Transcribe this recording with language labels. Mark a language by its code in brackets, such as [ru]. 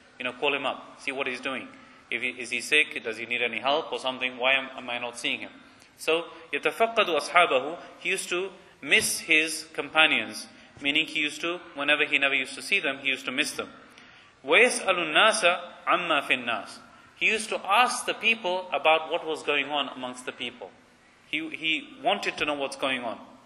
[en] You know, call him up, see what he's doing. Is he sick? Does he need any help or something? Why am I not seeing him? [ar] So, يَتَفَقَّدُ أَصْحَابَهُ. [en] He used to miss his companions, meaning he never used to see them, he used to miss them. [ar] وَيَسْأَلُ النَّاسَ عَمَّا فِي النَّاسِ. [en] He used to ask the people about what was going on amongst the people. He wanted to know what's going on.